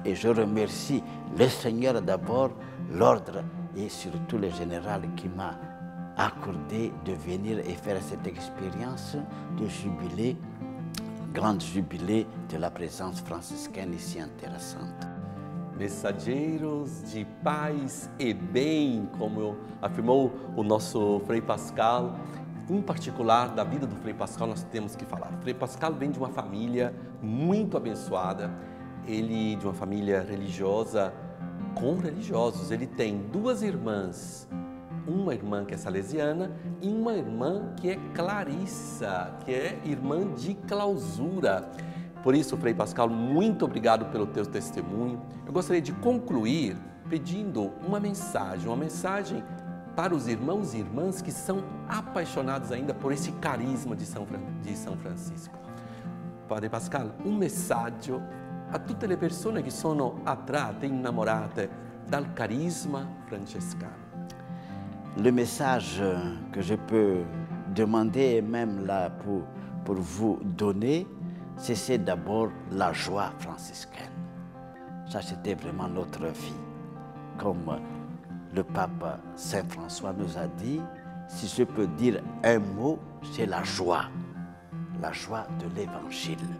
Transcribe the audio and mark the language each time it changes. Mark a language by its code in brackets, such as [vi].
[fr] Et je remercie le Seigneur d'abord, l'ordre, et surtout le général qui m'a accordé de venir et faire cette expérience de jubilé, grande jubilé de la présence franciscaine ici intéressante. [pt] Messageiros de paz e bem, como afirmou o nosso Frei Pascal. Em particular, da vida do Frei Pascal, nós temos que falar. Frei Pascal vem de uma família muito abençoada. Ele de uma família religiosa, com religiosos. Ele tem duas irmãs, uma irmã que é salesiana e uma irmã que é clarissa, que é irmã de clausura. Por isso, Frei Pascal, muito obrigado pelo teu testemunho. Eu gostaria de concluir pedindo uma mensagem para os irmãos e irmãs que são apaixonados ainda por esse carisma de São Francisco. [it] Padre Pascal, um messaggio a tutte le persone che sono attratte, innamorate dal carisma francescano. [fr] Le message que je peux demander et même là pour vous donner, c'est d'abord la joie franciscaine. Ça, c'était vraiment notre vie. Comme le pape Saint-François nous a dit, si je peux dire un mot, c'est la joie de l'Évangile.